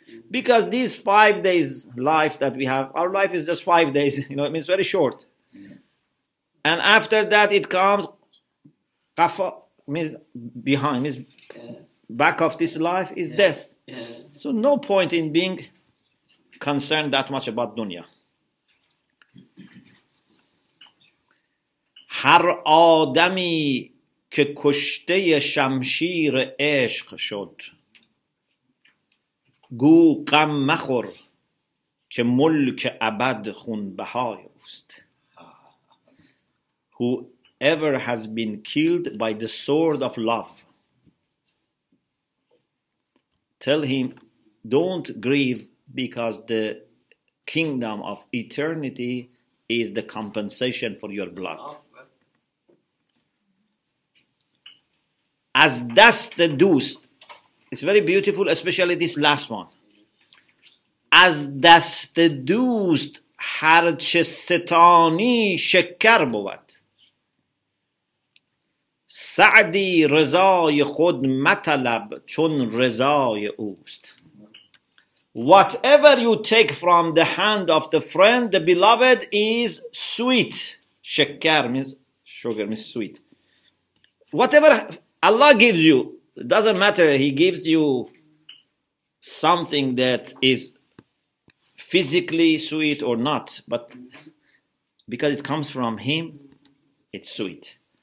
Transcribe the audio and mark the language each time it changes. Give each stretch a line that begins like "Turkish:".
English: Because these 5 days life that we have, our life is just 5 days, you know, it means very short. And after that it comes, kafa means behind, means back of this life is death. So no point in being concerned that much about dunya.
Persian: هر آدمی که کشته شمشیر عشق شد گو غم مخور که ملک ابد خونبهای اوست.
English: Whoever has been killed by the sword of love, tell him, don't grieve because the kingdom of eternity is the compensation for your blood.
Persian: از دست دوست.
English: It's very beautiful, especially this last one.
Persian: از دست دوست هرچه ستانی شکر بود. سعدی رضای خود مطلب چون رضای اوست.
English: Whatever you take from the hand of the friend, the beloved, is sweet. شکر means sugar, means sweet. Whatever Allah gives you, it doesn't matter. He gives you something that is physically sweet or not, but because it comes from him, it's sweet.